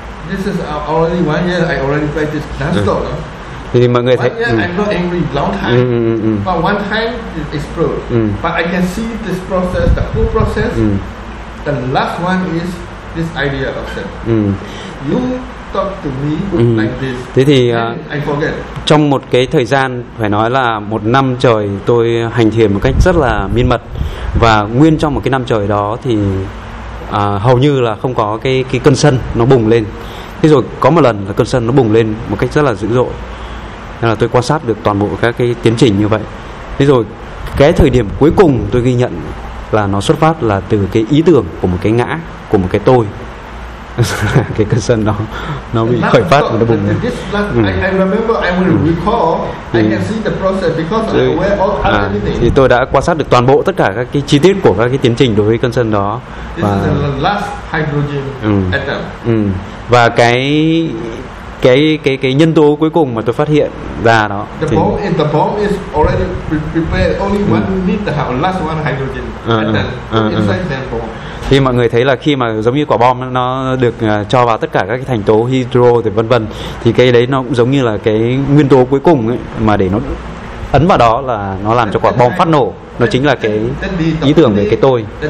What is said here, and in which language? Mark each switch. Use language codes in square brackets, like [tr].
[en] This is already 1 year. I already practice non-stop. [vi] Thì mọi người thấy [en] I'm not angry long time, but one time it explode. But I can see this process, the whole process. The last one is this idea of self. You talk to me like this. [vi] Thế thì [en] I forget. [vi] Trong một cái thời gian phải nói là một năm trời tôi hành thiền một cách rất là miên mật, và nguyên trong một cái năm trời đó thì hầu như là không có cái cơn sân nó bùng lên. Thế rồi có một lần là cơn sân nó bùng lên một cách rất là dữ dội. Nên là tôi quan sát được toàn bộ các cái tiến trình như vậy. Thế rồi cái thời điểm cuối cùng tôi ghi nhận là nó xuất phát là từ cái ý tưởng của một cái ngã, của một cái tôi. Cái cơn sân đó nó bị khởi phát và nó bùng lên. [en] I remember, I will recall, I can see the process because I aware of everything. [vi] Thì tôi đã quan sát được toàn bộ tất cả các cái chi tiết của các cái tiến trình đối với cơn sân đó. [en] Và this is the last hydrogen atom. [vi] Và cái nhân tố cuối cùng mà tôi phát hiện ra đó. [en] The bomb is already prepared, only one need to have last one hydrogen inside that bomb. [vi] Thì mọi người thấy là khi mà giống như quả bom nó được cho vào tất cả các cái thành tố hydro thì vân vân, thì cái đấy nó cũng giống như là cái nguyên tố cuối cùng ấy, mà để nó ấn vào đó là nó làm cho quả bom phát nổ. Nó chính là cái ý tưởng về cái tôi.